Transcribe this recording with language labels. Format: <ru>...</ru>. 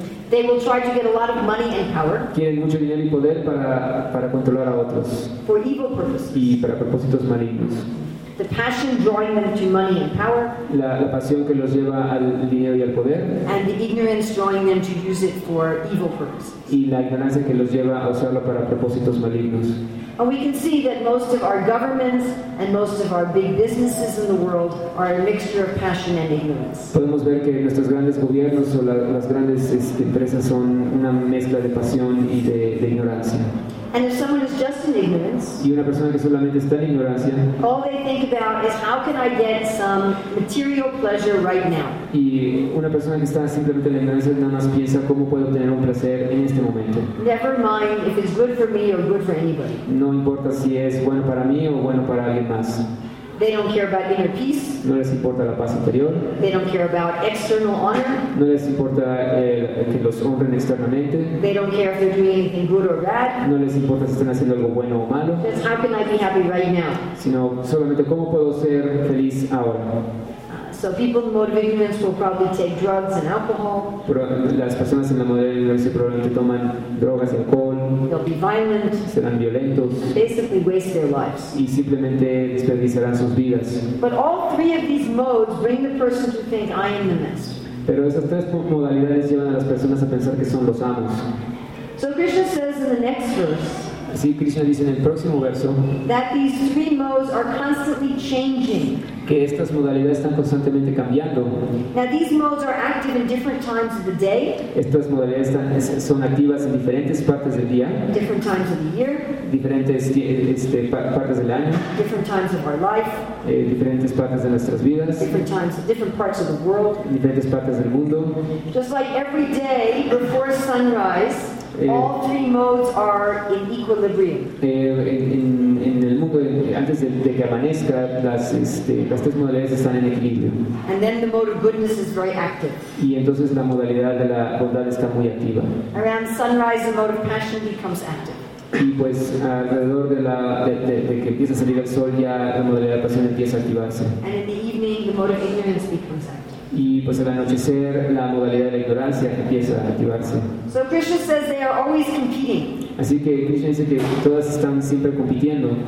<en>they will try to get a lot of money and power.</en> <es>Quieren mucho dinero y poder para controlar a otros.</es> <en>For evil purposes.</en> <es>Y para propósitos malignos.</es> <en>The passion drawing them to money and power.</en> <es>La pasión que los lleva al dinero y al poder.</es> <en>And the ignorance drawing them to use it for evil purposes.</en> <es>Y la ignorancia que los lleva a usarlo para propósitos malignos.</es> <en>And we can see that most of our governments and most of our big businesses in the world are a mixture of passion and ignorance.</en> <es>Podemos ver que nuestros grandes gobiernos o las grandes empresas son una mezcla de pasión y de ignorancia.</es> <en>And if someone is just in ignorance,</en> <es>y una persona que solamente está en ignorancia,</es> <en>all they think about is how can I get some material pleasure right now.</en> <es>Y una persona que está simplemente en ignorancia nada más piensa cómo puedo obtener un placer en este momento.</es> <en>Never mind if it's good for me or good for anybody.</en> <es>No importa si es bueno para mí o bueno para alguien más.</es> <en>They don't care about inner peace.</en> <es>No les importa la paz interior.</es> <en>They don't care about external honor.</en> <es>No les importa que los honren externamente.</es> <en>They don't care if they're doing anything good or bad.</en> <es>No les importa si están haciendo algo bueno o malo.</es> <en>Just how can I be happy right now?</en> <es>Sino solamente cómo puedo ser feliz ahora.</es> <en>So people in the mode of ignorance will probably take drugs and alcohol.</en> <es>Pero las personas en la modalidad de probablemente toman drogas y alcohol.</es> <en>They'll be violent.</en> <es>Serán violentos.</es> <en>Basically waste their lives.</en> <es>Y simplemente desperdiciarán sus vidas.</es> <en>But all three of these modes bring the person to think, I am the master.</en> <es>Pero esas tres modalidades llevan a las personas a pensar que son los amos.</es> <en>So Krishna says in the next verse.</en> <es>Así Krishna dice en el próximo verso.</es> <en>That these three modes are constantly changing.</en> <es>Que estas modalidades están constantemente cambiando.</es> <en>Now, these modes are active in different times of the day.</en> <es>Estas modalidades son activas en diferentes partes del día.</es> <en>Different times of the year.</en> <es>Diferentes partes del año.</es> <en>Different times of our life.</en> <es>Diferentes partes de nuestras vidas.</es> <en>Different times, different parts of the world.</en> <es>Diferentes partes del mundo.</es> <en>Just like every day before sunrise. All three modes are in equilibrium.</en> <es>En el mundo antes de que amanezca, las tres modalidades están en equilibrio.</es> <en>And then the mode of goodness is very active.</en> <es>Y entonces la modalidad de la bondad está muy activa.</es> <en>Around sunrise, the mode of passion becomes active.</en> <es>Y pues alrededor de la de que empieza a salir el sol, ya la modalidad de pasión empieza a activarse.</es> <en>And in the evening, the mode of ignorance becomes active.</en> <es>Y pues al anochecer la modalidad de ignorancia empieza a activarse.</es> <en>So Krishna says they are always competing.</en> <es>Así que Krishna dice que todas están siempre compitiendo.</es>